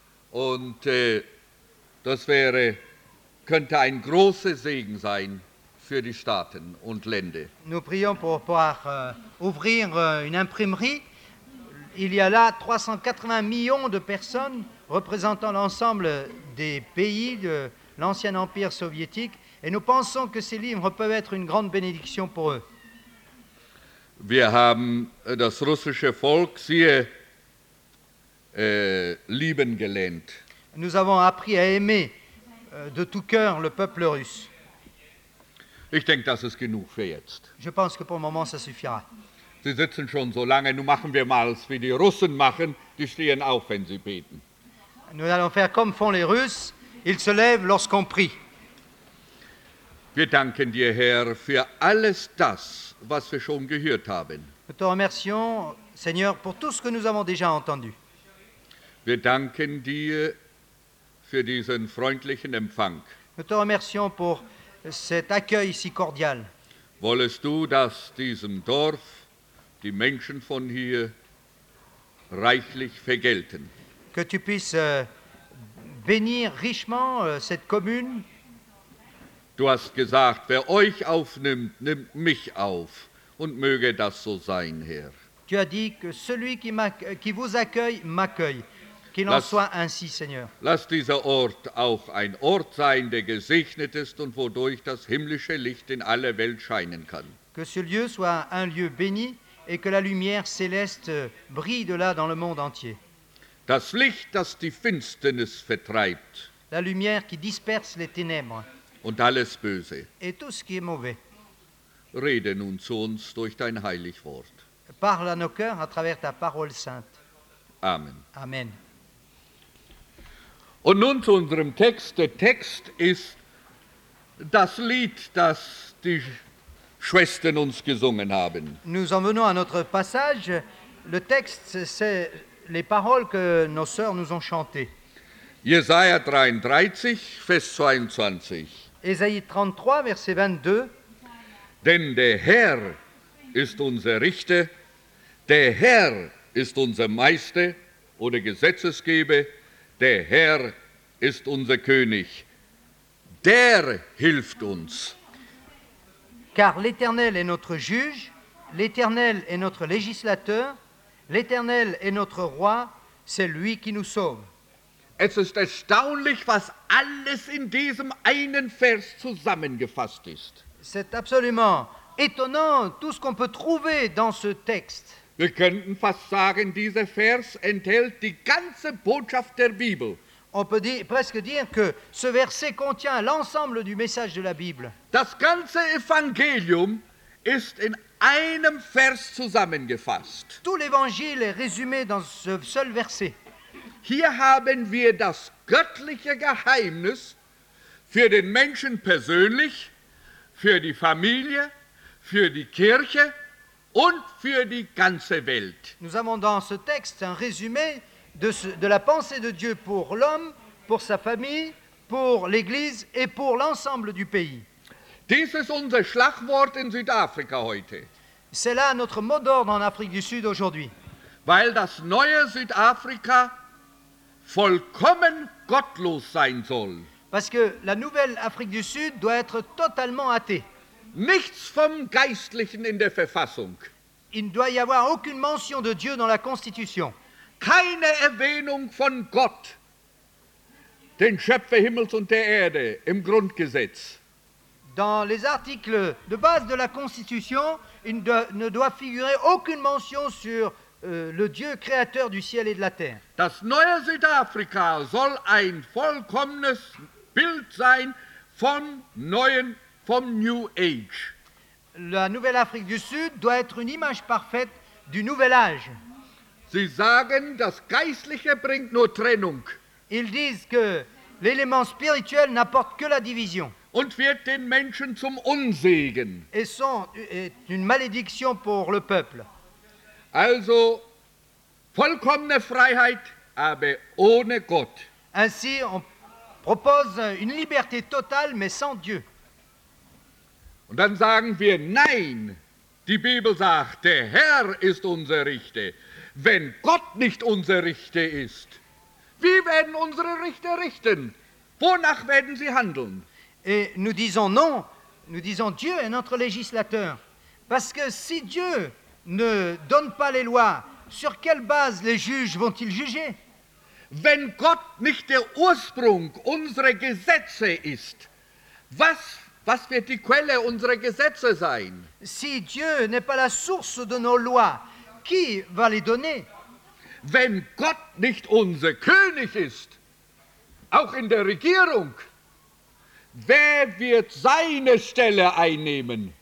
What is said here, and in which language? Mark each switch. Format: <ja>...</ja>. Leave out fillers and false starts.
<de>Und das wäre, könnte ein großer Segen sein für die Staaten und Länder.</de> <fr>Nous prions pour pouvoir ouvrir une imprimerie. Il y a là 380 millions de personnes représentant l'ensemble des pays de l'ancien empire soviétique. Et nous pensons que ces livres peuvent être une grande bénédiction pour eux.</fr> <de>Wir haben das russische Volk sehr lieben gelernt.</de> <fr>Nous avons appris à aimer de tout cœur le peuple russe.</fr> <de>Ich denke, das ist genug für jetzt.</de> <fr>Je pense que pour le moment, ça suffira.</fr> <de>Sie sitzen schon so lange, nun machen wir mal, wie die Russen machen, die stehen auf, wenn sie beten.</de> <fr>Nous allons faire comme font les Russes, ils se lèvent lorsqu'on prie.</fr> <de>Wir danken dir, Herr, für alles das, was wir schon gehört haben.</de> <fr>Nous te remercions, Seigneur, pour tout ce que nous avons déjà entendu.</fr> <de>Wir danken dir für diesen freundlichen Empfang.</de> <fr>Nous te remercions pour cet accueil si cordial.</fr> <de>Wollest du, dass diesem Dorf die Menschen von hier reichlich vergelten?</de> <fr>Que tu puisses bénir richement cette commune.</fr> <de>Du hast gesagt, wer euch aufnimmt, nimmt mich auf. Und möge das so sein, Herr.</de> <fr>Tu as dit que celui qui vous accueille, m'accueille. Qu'il en soit ainsi, Seigneur.</fr> <de>Lass dieser Ort auch ein Ort sein, der gesegnet ist und wodurch das himmlische Licht in alle Welt scheinen kann.</de> <fr>Que ce lieu soit un lieu béni et que la lumière céleste brille de là dans le monde entier.</fr> <de>Das Licht, das die Finsternis vertreibt.</de> <fr>La lumière qui disperse les ténèbres.</fr> <de>Und alles Böse.</de> <fr>Et tout ce qui est mauvais.</fr> <de>Rede nun zu uns durch dein heilig Wort.</de> <fr>Parle à nos cœurs à travers ta parole sainte.</fr> <de>Amen.</de> <fr>Amen.</fr> <de>Und nun zu unserem Text. Der Text ist das Lied, das die Schwestern uns gesungen haben.</de> <fr>Nous en venons à notre passage. Le texte, c'est les paroles que nos sœurs nous ont chantées.</fr> <de>Jesaja 33, Vers 22.</de> <fr>Esaïe 33, verset 22.</fr> <de>Denn der Herr ist unser Richter, der Herr ist unser Meister oder Gesetzesgeber, der Herr ist unser König. Der hilft uns.</de> <fr>Car l'Éternel est notre juge, l'Éternel est notre législateur, l'Éternel est notre roi, c'est lui qui nous sauve.</fr> <de>Es ist erstaunlich, was alles in diesem einen Vers zusammengefasst ist.</de> <fr>C'est absolument étonnant tout ce qu'on peut trouver dans ce texte.</fr> <de>Wir könnten fast sagen, dieser Vers enthält die ganze Botschaft der Bibel.</de> <fr>On peut presque dire que ce verset contient l'ensemble du message de la Bible.</fr> <de>Das ganze Evangelium ist in einem Vers zusammengefasst.</de> <fr>Tout l'évangile est résumé dans ce seul verset.</fr> <de>Hier haben wir das göttliche Geheimnis für den Menschen persönlich, für die Familie, für die Kirche und für die ganze Welt.</de> <fr>Nous avons dans ce texte un résumé de la pensée de Dieu pour l'homme, pour sa famille, pour l'Église et pour l'ensemble du pays.</fr> <de>Dies ist unser Schlagwort in Südafrika heute.</de> <fr>C'est là notre mot d'ordre en Afrique du Sud aujourd'hui.</fr> <de>Weil das neue Südafrika vollkommen gottlos sein soll.</de> <fr>Parce que la nouvelle Afrique du Sud doit être totalement athée.</fr> <de>Nichts vom Geistlichen in der Verfassung.</de> <fr>Il ne doit y avoir aucune mention de Dieu dans la Constitution.</fr> <de>keine Erwähnung von Gott, den Schöpfer Himmels und der Erde, im Grundgesetz.</de> <fr>Dans les articles de base de la Constitution, il ne doit figurer aucune mention sur le Dieu créateur du ciel et de la terre.</fr> <de>Das neue Südafrika soll ein vollkommenes Bild sein vom neuen, vom New Age.</de> <fr>La Nouvelle-Afrique du Sud doit être une image parfaite du Nouvel Âge.</fr> <de>Sie sagen, das Geistliche bringt nur Trennung.</de> <fr>Ils disent que l'élément spirituel n'apporte que la division.</fr> <de>Und wird den Menschen zum Unsegen.</de> <fr>Et est une malédiction pour le peuple.</fr> <de>Also, vollkommene Freiheit, aber ohne Gott.</de> <fr>Ainsi, on propose une liberté totale, mais sans Dieu.</fr> <de>Und dann sagen wir, nein, die Bibel sagt, der Herr ist unser Richter. Wenn Gott nicht unser Richter ist, wie werden unsere Richter richten? Wonach werden sie handeln?</de> <fr>Et nous disons non, nous disons Dieu est notre législateur. Parce que si Dieu ne donne pas les lois, sur quelle base les juges vont-ils juger?</fr> <de>Wenn Gott nicht der Ursprung unserer Gesetze ist, was wird die Quelle unserer Gesetze sein?</de> <fr>Si Dieu n'est pas la source de nos lois, qui va les donner?</fr> <de>Wenn Gott nicht unser König ist, auch in der Regierung, wer wird seine Stelle einnehmen?</de>